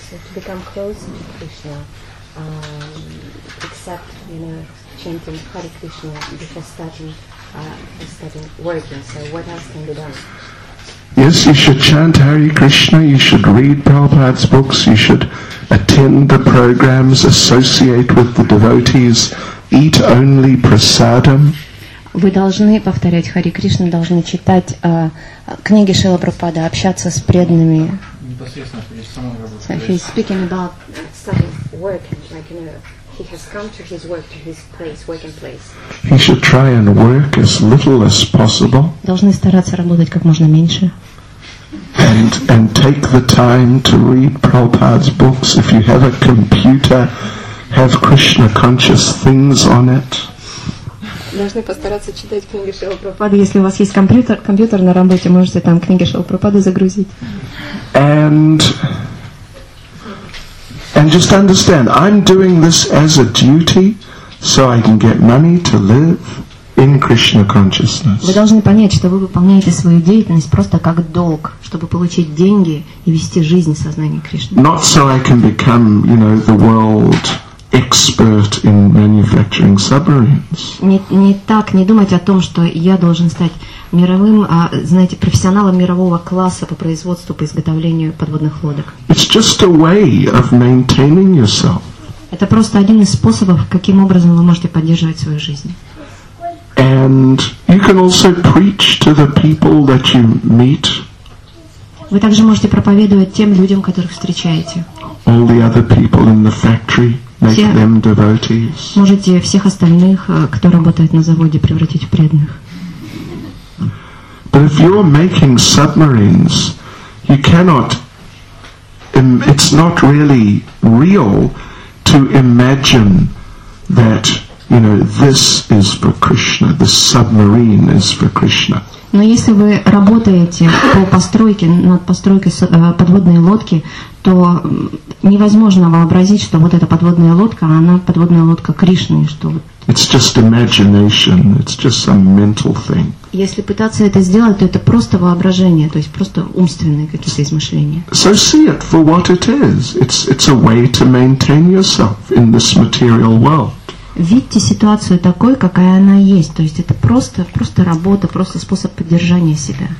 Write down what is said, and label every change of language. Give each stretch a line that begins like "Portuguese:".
English: So to become close to Krishna. Except, you know, chanting Hare Krishna before starting working. So what else can be done? Yes, you should chant Hare Krishna, you should read Prabhupada's books, you should attend the programs, associate with the devotees, eat only prasadam.
Russian: Вы должны повторять Хари Кришна, должны читать книги Шрилы Прабхупады, общаться с преданными. Непосредственно перед самой работой.
English: Speaking about starting work, like, you know, he has come to his work, to his place, working place. He should try and work as little as possible.
Russian: Должны стараться работать как можно меньше.
English: And take the time to read Prabhupada's books. If you have a computer, have Krishna conscious things on it.
Russian: Должны постараться читать книги Шрилы Прабхупады. Если у вас есть компьютер на работе, можете там книги Шрилы Прабхупады загрузить.
English: And just understand, I'm doing this as a duty, so I can get money to live in Krishna consciousness.
Russian: Вы должны понять, что вы выполняете свою деятельность просто как долг, чтобы получить деньги и вести жизнь в сознании Кришны.
English: Not so I can become, you know, the world expert in manufacturing submarines.
Russian: Не так, не думать о том, что я должен стать мировым, знаете, профессионалом мирового класса по производству, по изготовлению подводных лодок.
English: It's just a way of maintaining yourself.
Russian: Это просто один из способов, каким образом вы можете поддерживать свою жизнь.
English: And you can also preach to the people that you meet.
Russian: Вы также можете проповедовать тем людям, которых встречаете.
English: All the other people in the factory. Make them devotees.
Russian: Можете всех остальных, кто работает на заводе, превратить в преданных.
English: But if you're making submarines, you cannot. It's not really real to imagine that, you know, this is for Krishna. This submarine is for Krishna.
Russian: Но если вы работаете по постройке, над постройкой подводной лодки, то невозможно вообразить, что вот эта подводная лодка, она подводная лодка Кришны, что вот.
English: It's just imagination. It's just some mental thing.
Russian: Если пытаться это сделать, то это просто воображение, то есть просто умственные какие-то измышления.
English: So see it for what it is. It's a way to maintain yourself in this material world.
Russian: Видьте ситуацию такой, какая она есть. То есть это просто работа, просто способ поддержания себя.